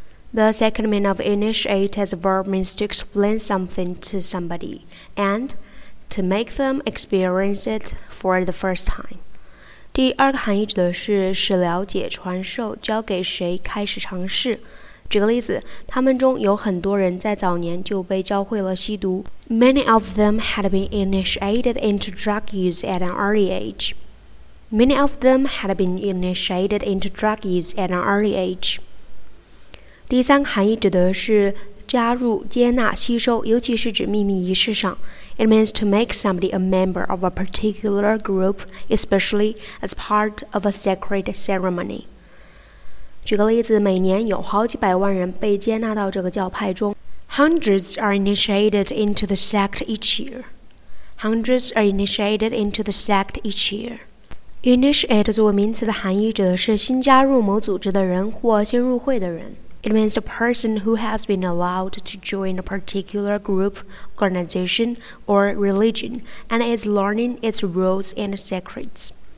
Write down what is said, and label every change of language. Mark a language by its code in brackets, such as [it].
[en] The second meaning of initiate as a verb means to explain something to somebody and to make them experience it for the first time. [zh] 第二个含义指的是使了解、传授、交给谁、开始尝试。举个例子，他们中有很多人在早年就被教会了吸毒。 [en] Many of them had been initiated into drug use at an early age. Many of them had been initiated into drug use at an early age. [zh] 第三个含义指的是加入、接纳、吸收，尤其是指秘密仪式上。 [en] It means to make somebody a member of a particular group, especially as part of a sacred ceremony. [zh] 举个例子，每年有好几百万人被接纳到这个教派中。 [en] Hundreds are initiated into the sect each year. Hundreds are initiated into the sect each year. [zh] Initiate 作为名词的含义指的是新加入某组织的人或新入会的人。 [en] It means a person who has been allowed to join a particular group, organization, or religion, and is learning its rules and secrets.